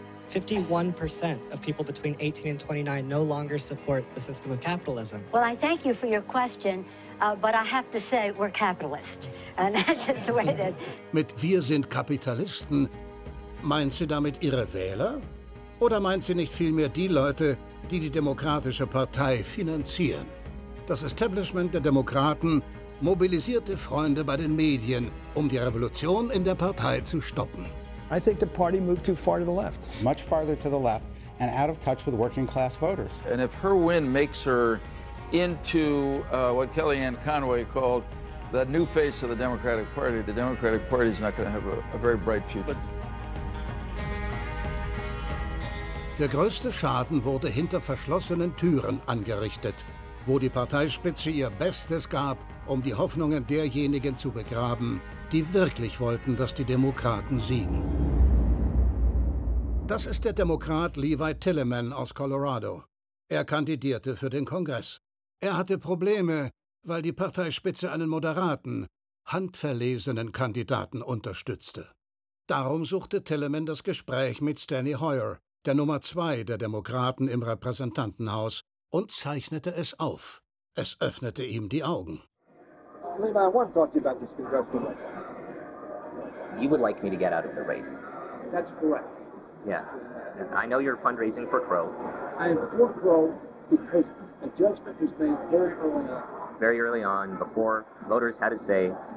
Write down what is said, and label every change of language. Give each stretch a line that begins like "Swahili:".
English: 51% of people between 18 and 29 no longer support the system of capitalism. Well, I thank you for your question, but I have to say we're capitalist. And that's just the way it is.
German: Mit wir sind Kapitalisten, meint sie damit ihre Wähler? Oder meint sie nicht vielmehr die Leute, die die Demokratische Partei finanzieren? Das Establishment der Demokraten mobilisierte Freunde bei den Medien, um die Revolution in der Partei zu stoppen.
English: I think the party moved too far to the left. Much farther to the left and out of touch with working class voters. And if her win makes her into what Kellyanne Conway called the new face of the Democratic Party is not going to have a very bright future.
German: Der größte Schaden wurde hinter verschlossenen Türen angerichtet, wo die Parteispitze ihr Bestes gab, um die Hoffnungen derjenigen zu begraben, die wirklich wollten, dass die Demokraten siegen. Das ist der Demokrat Levi Tilleman aus Colorado. Er kandidierte für den Kongress. Er hatte Probleme, weil die Parteispitze einen moderaten, handverlesenen Kandidaten unterstützte. Darum suchte Tilleman das Gespräch mit Stanley Hoyer, der Nummer zwei der Demokraten im Repräsentantenhaus, und zeichnete es auf. Es öffnete ihm die Augen.
English: Levi, I want to talk to you about this congressional race. You would like me to get out of the race. That's correct. Yeah. I know you're fundraising for Crow. I am for Crow because a judgment was made very early on. Very early on, before voters had a say.